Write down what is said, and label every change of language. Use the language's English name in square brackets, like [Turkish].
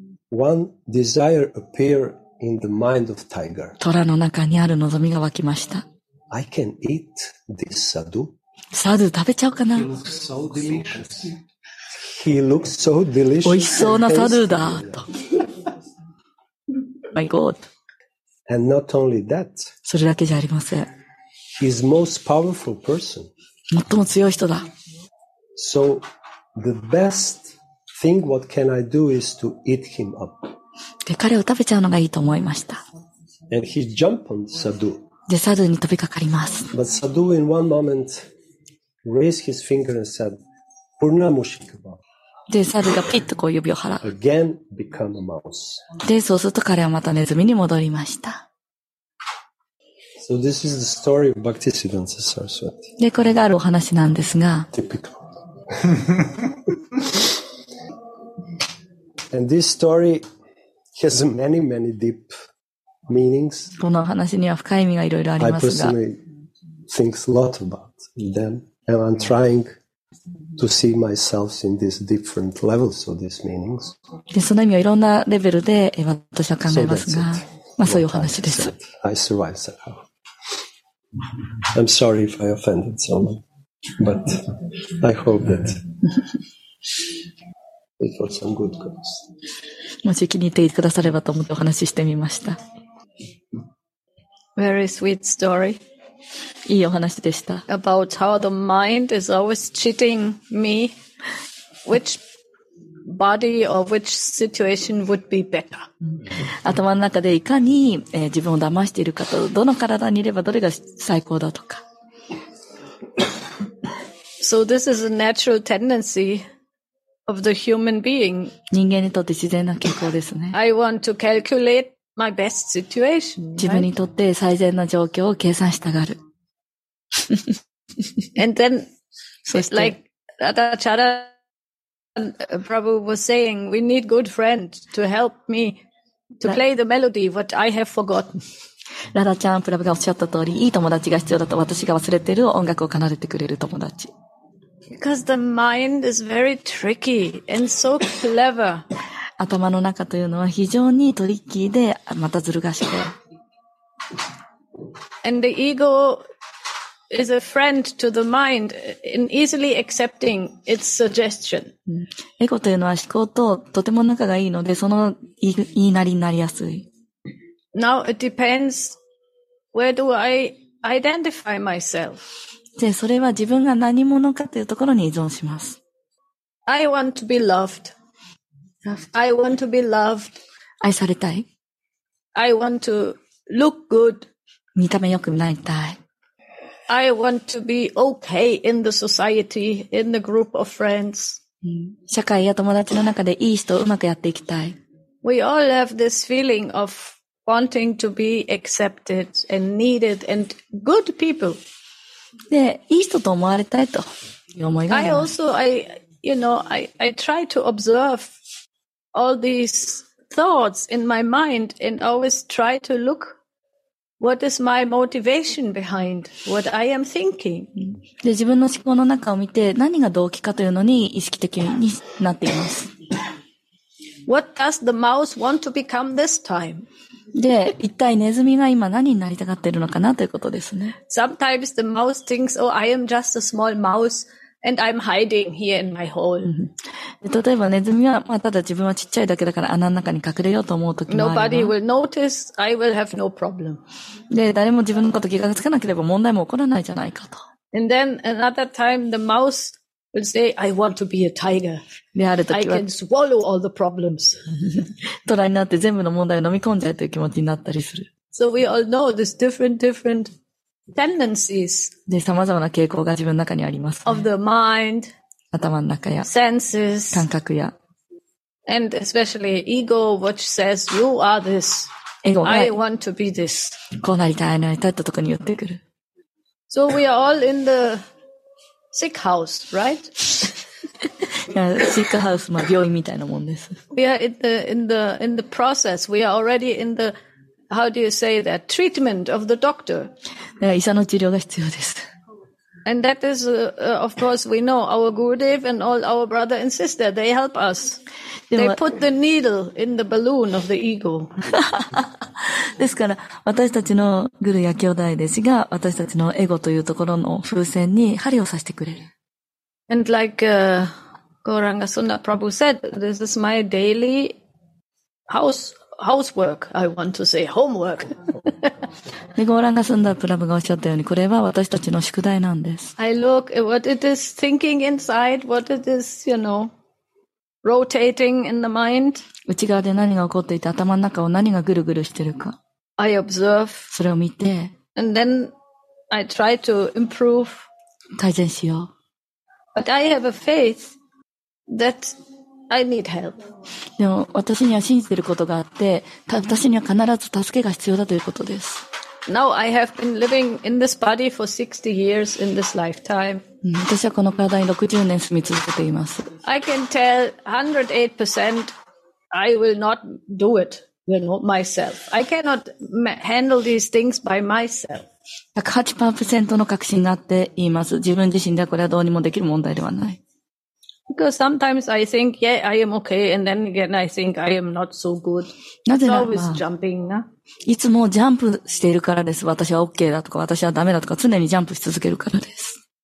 [English] one desire appeared in the mind of tiger. [Japanese] 虎の中にある望みが湧きました。 [English] I can eat this sadhu. [Japanese] サドゥ食べちゃおうかな。 [English] He looks so delicious. [Japanese] 美味しそうなサドゥだと。 [English] My God. And not only that. [Japanese] それだけじゃありません。 [English] He's most powerful person. [Japanese] 最も強い人だ。 [English] So the best thing what can I do is to eat him up. [Japanese] で彼を食べちゃうのがいいと思いました。 [English] And he jumped on Sadhu. [Japanese] でサドゥに飛びかかります。 [English] But Sadhu in one moment. Raised his finger and said, [Sanskrit] "Purnamushika Bhav." [Japanese] で、サドゥがピッとこう指を払う。 [English] Again, become a mouse. [Japanese] で、そうすると彼はまたネズミに戻りました。 [English] So this is the story of Bhaktisiddhanta Saraswati. [Japanese] で、これがあるお話なんですが。 [English] Typical. And this story has many, many deep meanings. [Japanese] この話には深い意味がいろいろありますが。 [English] I personally think a lot about them, and I'm trying to see myself in these different levels of these meanings. [Japanese] で、その意味をいろんなレベルで私は考えますが、 [English] so、 [Japanese] まあそういう話です。 [English] I survived somehow. I'm sorry if I offended someone, but I hope that it was some good cause. [Japanese] もし気に入ってくださればと思ってお話ししてみました。 [English] Very sweet story. [Japanese] いいお話でした。 [English] About how the mind is always cheating me. Which body or which situation would be better? [Japanese] 頭の中でいかに、自分を騙しているかと、どの体にいればどれが最高だとか。 [English] So this is a natural tendency. Of the human being. [Japanese] 人間にとって自然な傾向ですね。 [English] I want to calculate my best situation. [Japanese] 自分にとって最善な状況を計算したがる。 [English] And then, like Radhachara Prabhu was saying, we need good friend to help me to play the melody what I have forgotten. [Japanese] Radhachara Prabhu がおっしゃった通り、いい友達が必要だと私が忘れている音楽を奏でてくれる友達。 [English] Because the mind is very tricky and so clever. [Japanese] 頭の中というのは非常にトリッキーで、またずる賢い。 [English] And the ego is a friend to the mind in easily accepting its suggestion. [Japanese] エゴというのは思考ととても仲がいいので、その言いなりになりやすい。 [English] Now it depends where do I identify myself. [Japanese] で、それは自分が何者かというところに依存します。 [English] I want to be loved. I want to be loved. [Japanese] 愛されたい。 [English] I want to look good. [Japanese] 見た目よくなりたい。 [English] I want to be okay in the society, in the group of friends. [Japanese] 社会や友達の中でいい人をうまくやっていきたい。 [English] We all have this feeling of wanting to be accepted and needed and good people. [Japanese] で、いい人と思われたいという思いがあります。 [English] I also, I, you know, I try to observe all these thoughts in my mind and always try to look what is my motivation behind what I am thinking. [Japanese] で、自分の思考の中を見て何が動機かというのに意識的になっています。 [English] What does the mouse want to become this time? [Japanese] で、一体ネズミが今何になりたがっているのかなということですね。 [English] Sometimes the mouse thinks, oh, I am just a small mouse and I'm hiding here in my hole. [Japanese] 例えばネズミは、まあ、ただ自分はちっちゃいだけだから穴の中に隠れようと思うときもあります。 [English] Nobody will notice, I will have no problem. [Japanese] で、誰も自分のこと気がつかなければ問題も起こらないじゃないかと。 [English] And then another time the mouse will say, I want to be a tiger. [Japanese] である時は [English] I can swallow all the problems. [Japanese] トラになって全部の問題を飲み込んじゃうという気持ちになったりする。 [English] So we all know this different tendencies. [Japanese] で、様々な傾向が自分の中にあります、ね。 [English] Of the mind. [Japanese] 頭の中や。 [English] Senses. [Japanese] 感覚や。 [English] And especially ego, which says, you are this. Ego I want to be this. [Japanese] こうなりたい、なりたいってところに寄ってくる。 [English] So we are all in the sick house, right? Sick house, [Japanese] まあ病院みたいなもんです。 [English] We are in the process. We are already in the, how do you say that, treatment of the doctor. [Japanese] 医者の治療が必要です。 [English] And that is, of course, we know our Gurudev and all our brother and sister, they help us. They put the needle in the balloon of the ego. [Japanese] ですから、私たちのグルや兄弟弟子が、私たちのエゴというところの風船に針を刺してくれる。 [English] And like, Gauranga Sundar Prabhu said, this is my daily housework, I want to say, homework. [Japanese] で、ゴーランガスンダープラブがおっしゃったように、これは私たちの宿題なんです。 [English] I look at what it is thinking inside, what it is, you know, rotating in the mind. [Japanese] 内側で何が起こっていて、頭の中を何がぐるぐるしてるか。 [English] I observe. [Japanese] それを見て。 [English] And then I try to improve. [Japanese] 改善しよう。 [English] But I have a faith that I need help. [Japanese] でも、私には信じてることがあって、私には必ず助けが必要だということです。 [English] Now I have been living in this body for 60 years in this lifetime. [Japanese] 私はこの体に60年住み続けています。 [English] I can tell 108% I will not do it. you know, myself. I cannot handle these things by myself. [Japanese] 108% の確信があって言います。自分自身ではこれはどうにもできる問題ではない。 [English] Because sometimes I think, yeah, I am okay, and then again I think I am not so good. [Japanese] なぜなら、 [English] always jumping, [Japanese] いつもジャンプしているからです。私は OK だとか、私はダメだとか、常にジャンプし続けるからです。